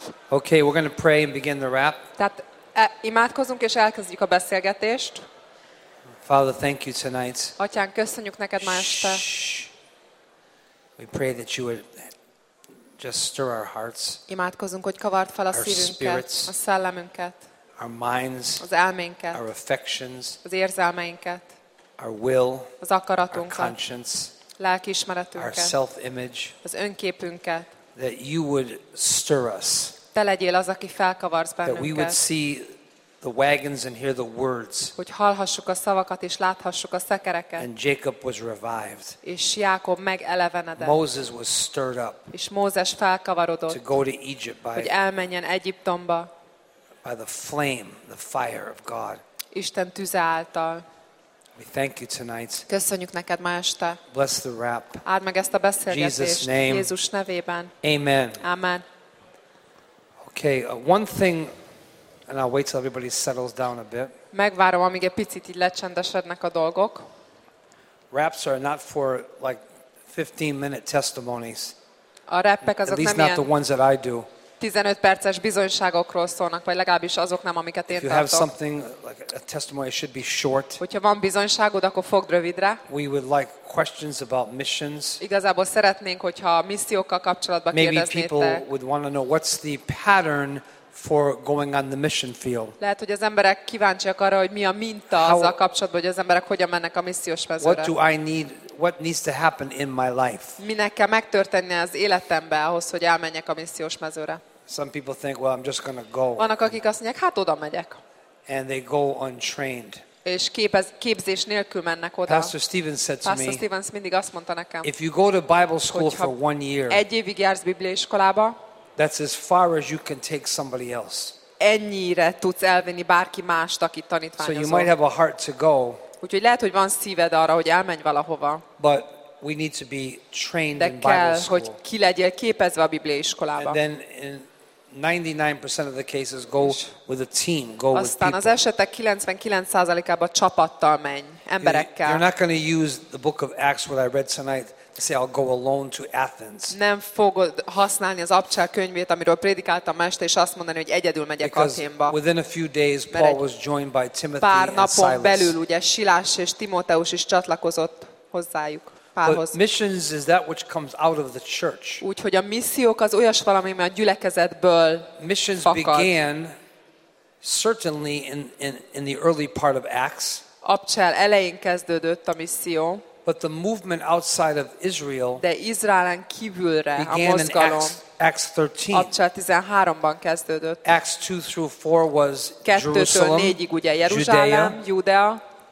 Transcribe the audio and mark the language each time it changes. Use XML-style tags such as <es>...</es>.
<en>Okay, we're going to pray and begin the rap.</en> <hu>Tehát imádkozunk és elkezdjük a beszélgetést.</hu> <en>Father, thank you tonight.</en> <hu>Atyán, köszönjük neked ma este.</hu> <en>We pray that you would just stir our hearts.</en> <hu>Imádkozunk, hogy kavard fel a szívünket, a szellemünket.</hu> <en>Our minds.</en> <hu>Az elménket.</hu> <en>Our affections.</en> <hu>Az érzelmeinket.</hu> <en>Our will.</en> <hu>Az akaratunkat.</hu> <en>Our conscience.</en> <hu>Lelkiismeretünket.</hu> <en>Our self-image.</en> <hu>Az önképünket.</hu> <en>That you would stir us.</en> <hu>Te legyél az, aki felkavarsz bennünket.</hu> <en>That we would see the wagons and hear the words.</en> <hu>Hogy hallhassuk a szavakat és láthassuk a szekereket.</hu> <en>And Jacob was revived.</en> <hu>És Jákob megelevenedett.</hu> <en>Moses was stirred up.</en> <hu>És Mózes felkavarodott.</hu> <en>To go to Egypt by.</en> <hu>Hogy elmenjen Egyiptomba.</hu> <en>By the flame, the fire of God.</en> <hu>Isten tüze által.</hu> <en>We thank you tonight.</en> <hu>Köszönjük neked ma este.</hu> <en>Bless the rap.</en> <hu>Áld meg ezt a beszélgetést.</hu> <en>Jesus name.</en> <hu>Jézus nevében.</hu> <en>Amen.</en> <hu>Amen.</hu> <en>Okay, one thing, and I'll wait till everybody settles down a bit.</en> <hu>Megvárom, amíg egy picit így lecsendesednek a dolgok.</hu> <en>Raps are not for like 15-minute testimonies.</en> <hu>A rappek azok nem ilyen.</hu> <en>At least not the ones that I do.</en> <hu>15 perces bizonyságokról szólnak, vagy legalábbis azok nem, amiket én tartok.</hu> <en>You have something like a testimony, it should be short.</en> <hu>Hogyha van bizonyságod, akkor fogd rövidre.</hu> <en>We would like questions about missions.</en> <hu>Igazából szeretnénk, hogyha a missziókkal kapcsolatban kérdeznétek.</hu> <en>Maybe people would want to know what's the pattern for going on the mission field.</en> <hu>Lehet, hogy az emberek kíváncsiak arra, hogy mi a minta azzal kapcsolatban, hogy az emberek hogyan mennek a missziós mezőre.</hu> <en>What do I need? What needs to happen in my life?</en> <hu>Minek kell megtörténnie az életembe ahhoz, hogy elmenjek a missziós mezőre?</hu> <en>Some people think, well, I'm just going to go.</en> <hu>Vannak, akik azt mondják, hát oda megyek.</hu> <en>And they go untrained.</en> <hu>És képzés nélkül mennek oda.</hu> <en>Pastor Stevens said to me.</en> <hu>Pastor Stevens mindig azt mondta nekem.</hu> <en>If you go to Bible school for one year.</en> <hu>Egy évig jársz bibliaiskolába.</hu> <en>That's as far as you can take somebody else.</en> <hu>Ennyire tudsz elvinni bárki mást, akit tanítványozol.</hu> <en>So you might have a heart to go.</en> <hu>Úgyhogy lehet, hogy van szíved arra, hogy elmenj valahova.</hu> <en>But we need to be trained</en> <hu>de</hu> <en>in</en> <hu>kell,</hu> <en>Bible school.</en> <hu>Hogy ki legyél képezve a Biblia iskolába.</hu> <en>And then in 99% of the cases go with a team, go with people.</en> <hu>Aztán az esetek 99%-ában csapattal menj, emberekkel.</hu> <en>You're not going to use the book of Acts what I read tonight. Say I'll go alone to Athens.</en> <hu>Nem fogod használni az Apcsel könyvét, amiről prédikáltam este, és azt mondani, hogy egyedül megyek Athénba.</hu> <en>Within a few days Paul was joined by Timothy</en> <hu>pár</hu> <en>and Silas.</en> <hu>Napon belül ugye Silas és Timóteus is csatlakozott hozzájuk. Párhoz.</hu> <en>But missions is that which comes out of the church.</en> <hu>Úgyhogy a missziók az olyas valami, ami a gyülekezetből</hu> <en>missions</en> <hu>fakad.</hu> <en>Missions began certainly in the early part of Acts.</en> <hu>Apcsel elején kezdődött a misszió.</hu> <en>But the movement outside of Israel</en> <hu>de Izraelen kívülre</hu> <en>began</en> <hu>a mozgalom</hu> <en>Acts 13.</en> <hu>Apcsel 13-ban kezdődött.</hu> <en>Acts 2 through 4 was Jerusalem,</en> <hu>4-ig ugye Jeruzsálem, Judea.</hu>